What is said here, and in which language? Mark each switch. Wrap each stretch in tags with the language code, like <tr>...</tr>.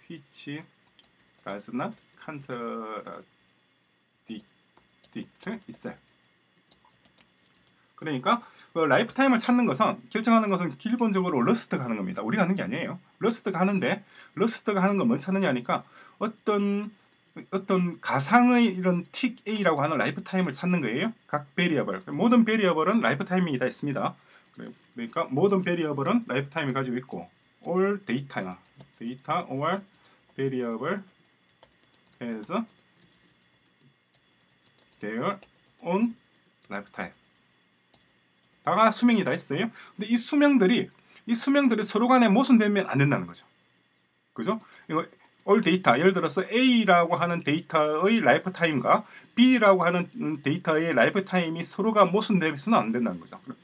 <en>which does not contradict itself.</en> <ko>그러니까 그 라이프타임을 찾는 것은 결정하는 것은 기본적으로 러스트가 하는 겁니다. 우리가 하는 게 아니에요. 러스트가 하는 건 뭘 찾느냐 하니까 어떤 가상의 이런 틱 A라고 하는 라이프타임을 찾는 거예요. 각 베리어블. 모든 베리어블은 라이프타임이 다 있습니다. 그러니까 모든 베리어블은 라이프타임을 가지고 있고</ko> <en>all data or variable has their own lifetime.</en> <ko>다가 수명이 다 있어요. 근데 이 수명들이 서로 간에 모순되면 안 된다는 거죠. 그죠? 이거 all data, 예를 들어서 A라고 하는 데이터의 라이프타임과 B라고 하는 데이터의 라이프타임이 서로가 모순되면 안 된다는 거죠.</ko>